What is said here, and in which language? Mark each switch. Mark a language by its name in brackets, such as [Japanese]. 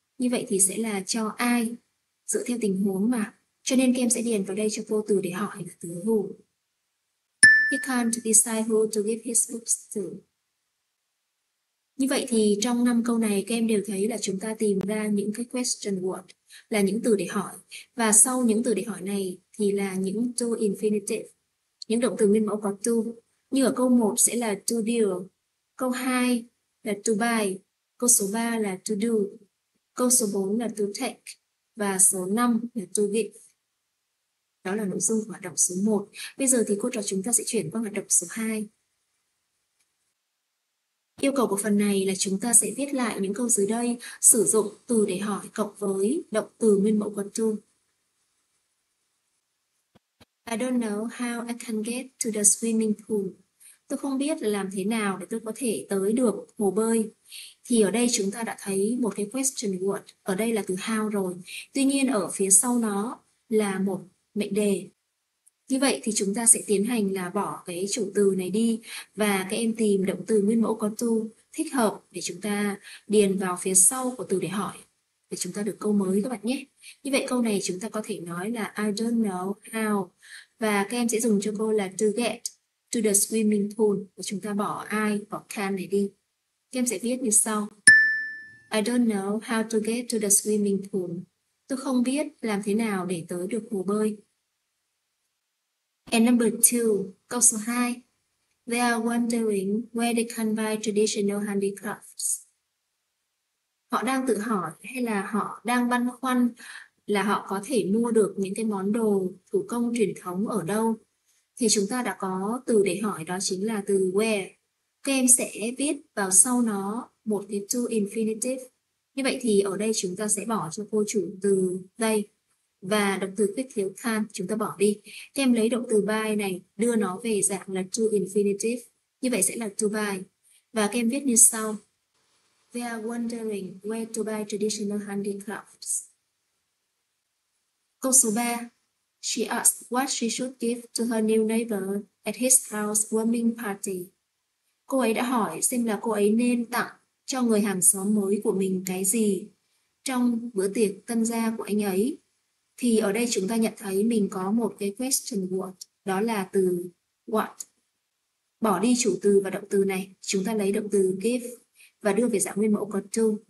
[Vietnamese] Như vậy thì sẽ là cho ai? Dựa theo tình huống mà. Cho nên Kem sẽ điền vào đây cho cô từ để hỏi là từ who. [English] He can't decide who to give his books to. [Vietnamese] Như vậy thì trong 5 câu này các em đều thấy là chúng ta tìm ra những cái question word là những từ để hỏi. Và sau những từ để hỏi này thì là những to infinitive, những động từ nguyên mẫu có to. Như ở câu 1 sẽ là to deal, câu 2 là to buy, câu số 3 là to do, câu số 4 là to take và số 5 là to give. Đó là nội dung của hoạt động số 1. Bây giờ thì cô trò chúng ta sẽ chuyển qua hoạt động số 2. Yêu cầu của phần này là chúng ta sẽ viết lại những câu dưới đây sử dụng từ để hỏi cộng với động từ nguyên mẫu có to. [English] I don't know how I can get to the swimming pool. [Vietnamese] Tôi không biết là làm thế nào để tôi có thể tới được hồ bơi. Thì ở đây chúng ta đã thấy một cái question word. Ở đây là từ how rồi. Tuy nhiên ở phía sau nó là một mệnh đề. Như vậy thì chúng ta sẽ tiến hành là bỏ cái chủ từ này đi và các em tìm động từ nguyên mẫu có to thích hợp để chúng ta điền vào phía sau của từ để hỏi để chúng ta được câu mới các bạn nhé. Như vậy câu này chúng ta có thể nói là [English] I don't know how [Vietnamese] và các em sẽ dùng cho cô là [English] to get to the swimming pool [Vietnamese] và chúng ta bỏ I, bỏ can này đi. Các em sẽ viết như sau. [English] I don't know how to get to the swimming pool. [Vietnamese] Tôi không biết làm thế nào để tới được hồ bơi. [English] And number two, [Vietnamese] câu số 2. [English] They are wondering where they can buy traditional handicrafts. [Vietnamese] Họ đang tự hỏi hay là họ đang băn khoăn là họ có thể mua được những cái món đồ thủ công truyền thống ở đâu. Thì chúng ta đã có từ để hỏi đó chính là từ where. Các em sẽ viết vào sau nó một cái to infinitive. Như vậy thì ở đây chúng ta sẽ bỏ cho cô chủ từ they và động từ quyết thiếu can chúng ta bỏ đi. Thế em lấy động từ by này đưa nó về dạng là to infinitive. Như vậy sẽ là to by. Và các em viết như sau. [English] They are wondering where to buy traditional handicrafts. [Vietnamese] Câu số 3. [English] She asked what she should give to her new neighbor at his housewarming party. [Vietnamese] Cô ấy đã hỏi xem là cô ấy nên tặng cho người hàng xóm mới của mình cái gì trong bữa tiệc tân gia của anh ấy. Thì ở đây chúng ta nhận thấy mình có một cái question what, đó là từ what. Bỏ đi chủ từ và động từ này, chúng ta lấy động từ give và đưa về dạng nguyên mẫu có to.